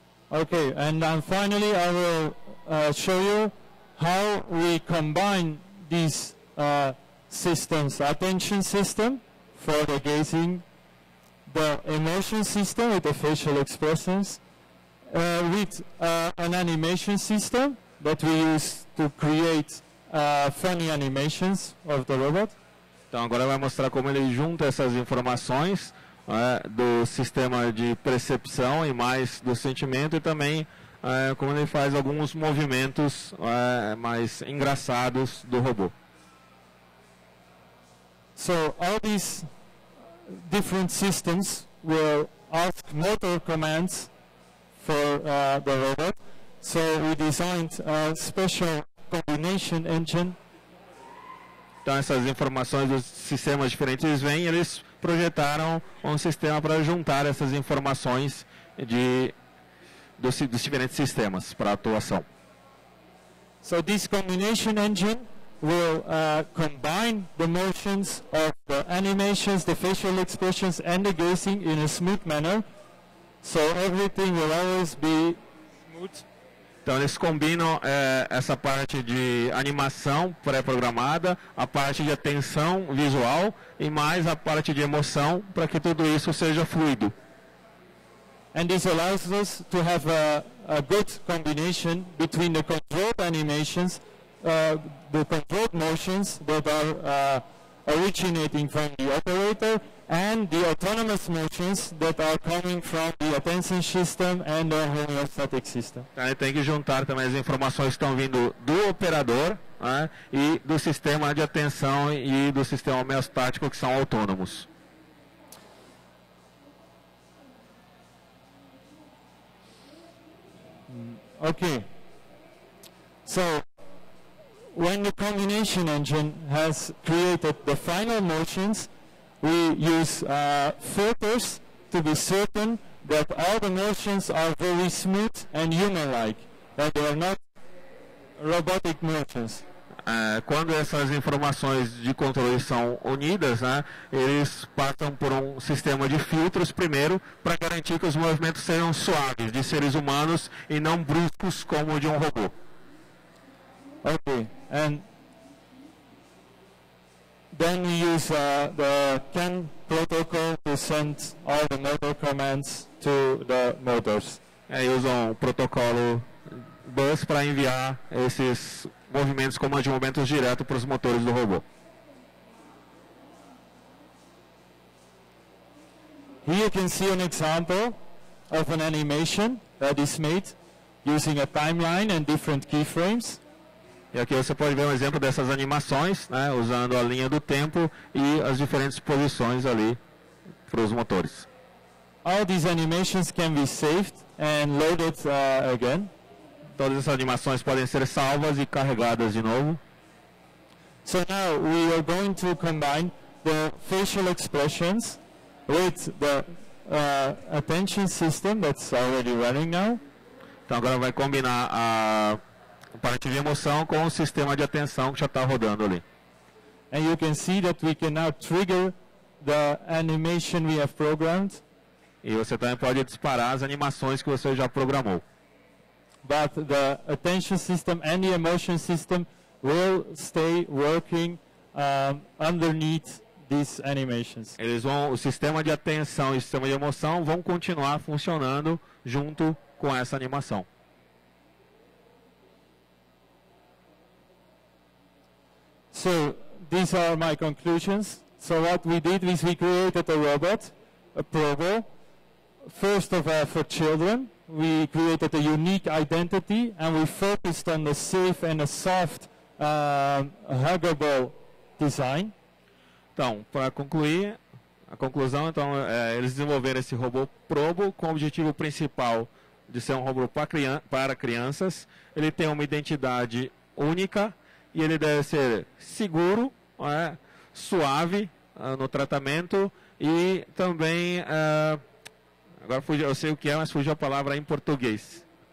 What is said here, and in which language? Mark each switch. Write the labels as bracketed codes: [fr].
[en] Okay, and then finally I will show you how we combine these systems: attention system for the gazing, the emotion system with the facial expressions, with an animation system that we use to create funny animations of the robot. [pt] Então agora vai mostrar como ele junta essas informações do sistema de percepção e mais do sentimento, e também como ele faz alguns movimentos mais engraçados do robô. [en] So all these different systems will ask motor commands for the robot. So we designed a special combination engine. [pt] Então essas informações dos sistemas diferentes vêm, eles projetaram um sistema para juntar essas informações dos diferentes sistemas para atuação. [en] So this combination engine will combine the motions of the animations, the facial expressions and the gazing in a smooth manner. So everything will always be smooth. [pt] Então eles combinam essa parte de animação pré-programada, a parte de atenção visual e mais a parte de emoção para que tudo isso seja fluido. [en] And this allows us to have a good combination between the controlled animations, the controlled motions that are originating from the operator, and the autonomous motions that are coming from the attention system and the homeostatic system. [pt] Aí tem que juntar também as informações que estão vindo do operador, né, e do sistema de atenção e do sistema homeostático, que são autônomos. [en] Okay. So when the combination engine has created the final motions, we use filters to be certain that all the motions are very smooth and human-like, that they are not robotic motions. [pt] Quando essas informações de controle são unidas, né, eles passam por um sistema de filtros primeiro para garantir que os movimentos sejam suaves, de seres humanos, e não bruscos como de um robô. [en] Ok. And then we use the CAN protocol to send all the motor commands to the motors. [pt] É, usam o protocolo bus para enviar esses movimentos como de movimentos direto para os motores do robô. [en] Here you can see an example of an animation that is made using a timeline and different keyframes. [pt] E aqui você pode ver um exemplo dessas animações, né, usando a linha do tempo e as diferentes posições ali para os motores. [en] All these animations can be saved and loaded again. [pt] Todas essas animações podem ser salvas e carregadas de novo. [en] So now we are going to combine the facial expressions with the attention system that's already running now. [pt] Então agora vai combinar a parte de emoção com o sistema de atenção que já está rodando ali. [en] And you can see that we can now trigger the animation we have programmed. [pt] E você também pode disparar as animações que você já programou. [en] But the attention system and the emotion system will stay working underneath these animations. [pt] Eles vão, o sistema de atenção e o sistema de emoção vão continuar funcionando junto com essa animação. [en] So, these are my conclusions. So what we did is we created a robot, a PROBO. First of all, for children, we created a unique identity and we focused on the safe and a soft huggable design. [pt] Então, para concluir, a conclusão, então, eles desenvolveram esse robô PROBO com o objetivo principal de ser um robô para crianças. Ele tem uma identidade única e ele deve ser seguro, suave no tratamento e também, agora fugiu, eu sei o que é, mas fugiu a palavra em português.